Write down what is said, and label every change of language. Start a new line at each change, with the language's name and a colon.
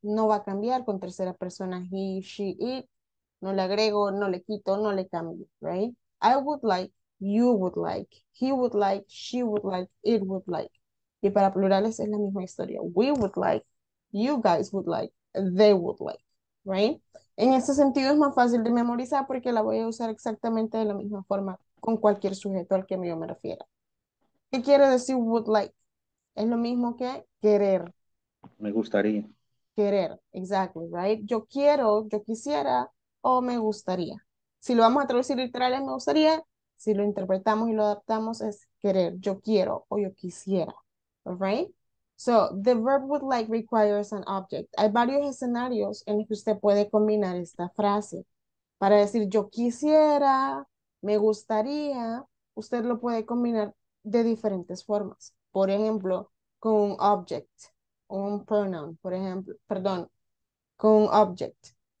Spanish: No va a cambiar con tercera persona, he, she, it. No le agrego, no le quito, no le cambio, right?
English: I would like, you would like, he would like, she would like, it would like.
Spanish: Y para plurales es la misma historia.
English: We would like, you guys would like,
Spanish: they would like, right? En este sentido es más fácil de memorizar porque la voy a usar exactamente de la misma forma con cualquier sujeto al que yo me refiera. ¿Qué quiere decir would like? Es lo mismo que querer. Me gustaría. Querer, exactly, right? Yo quiero, yo quisiera o me gustaría. Si lo vamos a traducir literal es me gustaría, si lo interpretamos y lo adaptamos es querer, yo quiero o yo quisiera, right?
English: So, the verb would like requires an object.
Spanish: Hay varios escenarios en los que usted puede combinar esta frase. Para decir, yo quisiera, me gustaría, usted lo puede combinar de diferentes formas. Por ejemplo, con un object, un pronoun, por ejemplo, perdón, con un object.